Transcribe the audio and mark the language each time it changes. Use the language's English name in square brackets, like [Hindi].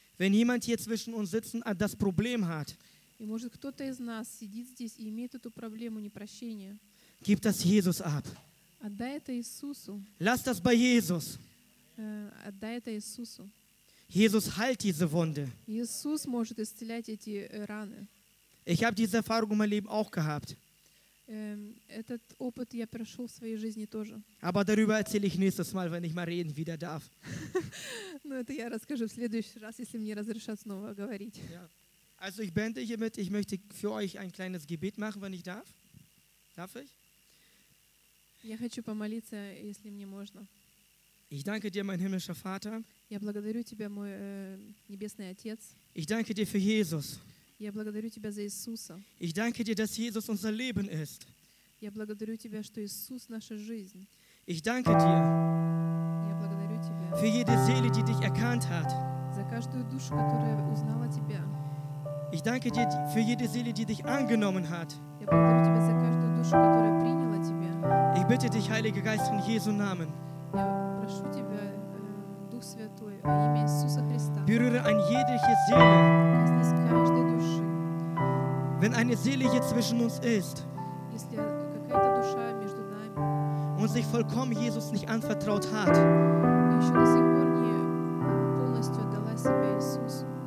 [German] Wenn jemand hier zwischen uns sitzt und das Problem hat, [Russian] и может кто-то из нас сидит здесь и имеет эту проблему непрощения, [German] gib das Jesus ab. [Russian] Отдай это Иисусу. [German] Lass das bei Jesus. [Russian] Отдай это Иисусу. [German] Jesus heilt diese Wunde. [Russian] Jesus может исцелять эти раны. [German] Ich habe diese Erfahrung in meinem Leben auch gehabt. [Russian] Этот опыт я прошел в своей жизни тоже. [German] Aber darüber erzähle ich nächstes Mal, wenn ich mal reden wieder darf. [Russian] Ну это я расскажу в следующий раз, если мне разрешат снова говорить. [German] Ja. Also ich beende hiermit. Ich möchte für euch ein kleines Gebet machen, wenn ich darf. Darf ich? [Russian] Я хочу помолиться, если мне можно. [German] Ich danke dir, mein himmlischer Vater. [Russian] Я благодарю тебя, мой небесный отец. [German] Ich danke dir für Jesus. [Russian] Я благодарю тебя за Иисуса. [German] Ich danke dir, dass Jesus unser Leben ist. [Russian] Я благодарю тебя, что Иисус наша жизнь. [German] Ich danke dir. [Russian] Я благодарю тебя. [German] Für jede Seele, die dich erkannt hat. [Russian] За каждую душу, которая узнала тебя. [German] Ich danke dir für jede Seele, die dich angenommen hat. [Russian] Я благодарю тебя за каждую душу, которая приняла тебя. [German] Ich bitte dich, Heiliger Geist, in Jesu Namen. [Russian] Я прошу тебя, Дух Святой, во имя Иисуса Христа. [German] Berühre an jede Seele. [Russian] Коснись каждой души. [German] Wenn eine Seele hier zwischen uns ist. [Russian] Если какая-то душа между нами. [German] Und sich vollkommen Jesus nicht anvertraut hat. [Russian] И еще до сих пор не полностью отдала себя Иисусу.